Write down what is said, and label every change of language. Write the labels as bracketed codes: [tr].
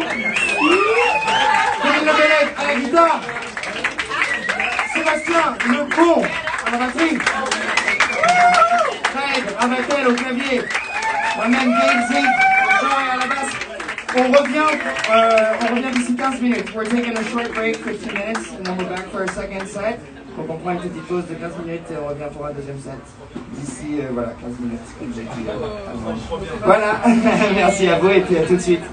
[fr] Denis Lebelec à la guitare. Sébastien Le Pont à la batterie. Fred Ravatel au clavier. Moi-même, Gabe Zink au chant et à la basse. On revient d'ici 15 minutes. [en] We're taking a short break, 15 minutes, and then we're back for a second set. [fr] Donc on prend une petite pause de 15 minutes et on revient pour un deuxième set. D'ici, voilà, 15 minutes, comme j'ai dit avant. Voilà, merci à vous et puis à tout de suite.